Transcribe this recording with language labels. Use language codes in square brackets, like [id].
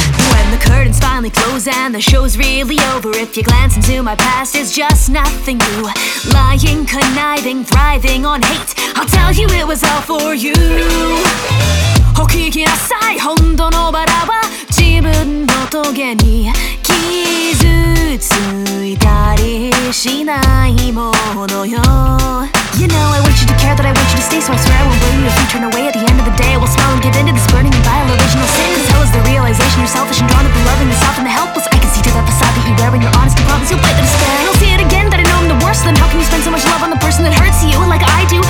[en] When the curtains finally close and the show's really over, if you glance into my past,is just nothing new. Lying, conniving, thriving on hate. I'll tell you it was all for you. [ja] お聞きなさい、本当のバラは自分の棘に傷ついたりしないものよ。 [en] You know I want you to care that I want you to stay, so I swear I won't bring you a few turn away. At the end of the day I will smile and give in to this burning and vile original sin. Cause hell is the realization you're selfish and drawn to the loving yourself and the helpless. I can see to the facade that you wear when you're honest and promise you'll bite the despair. You'll see it again that I know I'm the worst. Then how can you spend so much love on the person that hurts you like I do?